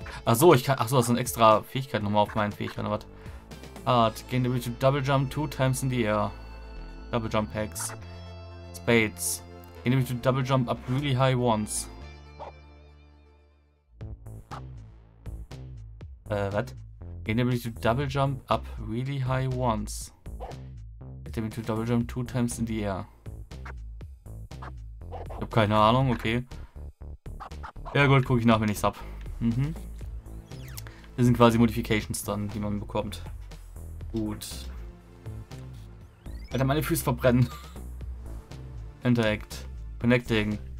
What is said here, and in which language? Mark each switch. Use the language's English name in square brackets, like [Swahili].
[German] Ach so, das sind extra Fähigkeiten nochmal auf meinen Fähigkeiten, oder was? [English] Art, gain the ability to double jump 2 times in the air. Double jump hacks. Spades. Gain the ability to double jump up really high once. [German] Was? [English] Gain the ability to double jump up really high once. Gain the ability to double jump 2 times in the air. [German] Ich hab keine Ahnung, okay. Ja gut, guck ich nach, wenn ich's hab. Mhm. Das sind quasi Modifications dann, die man bekommt. Gut. Alter, meine Füße verbrennen. Interact. Connecting.